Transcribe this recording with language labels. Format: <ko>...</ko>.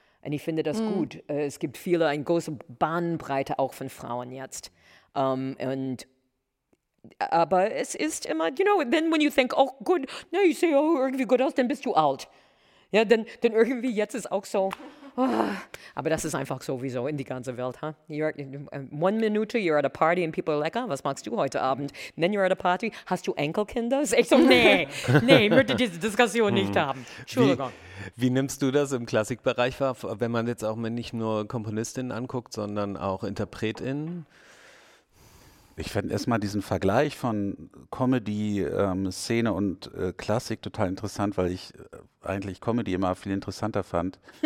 <de>Und ich finde das gut. Es gibt viele, eine große Bahnbreite auch von Frauen jetzt. Aber es ist immer,</de> <en>you know, then when you think, oh, good, now you say,</en> <de>oh, irgendwie gut aus, dann bist du alt. Ja, denn irgendwie jetzt ist auch so, oh. Aber das ist einfach sowieso in die ganze Welt, huh?</de> <en>One minute, you're at a party and people are like,</en> <de>was machst du heute Abend?</de> <en>And then you're at a party,</en> <de>hast du Enkelkinder? Ich so, nee, ich möchte diese Diskussion nicht haben. Entschuldigung. Wie nimmst du das im Klassikbereich wahr, wenn man jetzt auch nicht nur Komponistinnen anguckt, sondern auch Interpretinnen? Ich fände erstmal diesen Vergleich von Comedy-Szene und Klassik total interessant, weil ich eigentlich Comedy immer viel interessanter fand.</de>